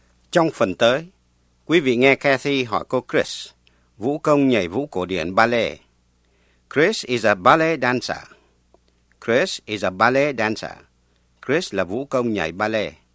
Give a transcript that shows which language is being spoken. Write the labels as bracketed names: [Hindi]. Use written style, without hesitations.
[Vietnamese] Trong phần tới, quý vị nghe Kathy hỏi cô Chris, vũ công nhảy vũ cổ điển ballet. [English] Chris is a ballet dancer. Chris is a ballet dancer. [Vietnamese] Chris là vũ công nhảy ballet.